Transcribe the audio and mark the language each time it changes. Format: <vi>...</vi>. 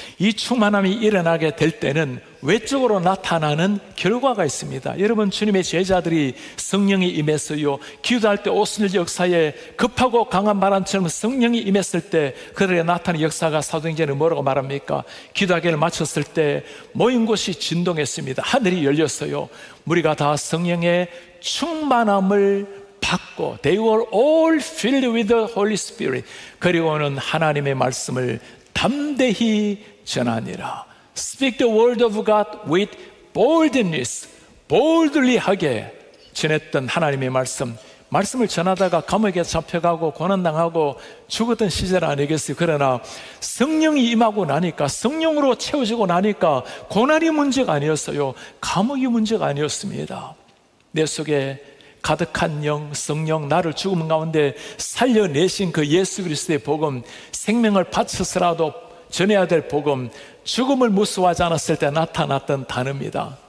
<ko>이 충만함이 일어나게 될 때는 외적으로 나타나는 결과가 있습니다. 여러분, 주님의 제자들이 성령이 임했어요. 기도할 때 오순절 역사에 급하고 강한 바람처럼 성령이 임했을 때 그들에게 나타난 역사가 사도행전에 뭐라고 말합니까? 기도하기를 마쳤을 때 모인 곳이 진동했습니다. 하늘이 열렸어요. 우리가 다 성령의 충만함을 받고,</ko> <en>they were all filled with the Holy Spirit.</en> <ko>그리고는 하나님의 말씀을 담대히 전하니라.</ko> <en>Speak the word of God with boldness.</en> <ko>Boldly 하게 전했던 하나님의 말씀. 말씀을 전하다가 감옥에 잡혀가고 고난당하고 죽었던 시절 아니겠어요? 그러나 성령이 임하고 나니까, 성령으로 채워지고 나니까 고난이 문제가 아니었어요. 감옥이 문제가 아니었습니다. 내 속에 가득한 영, 성령, 나를 죽음 가운데 살려내신 그 예수 그리스도의 복음, 생명을 바쳐서라도 전해야 될 복음, 죽음을 무서워하지 않았을 때 나타났던 단어입니다.</ko>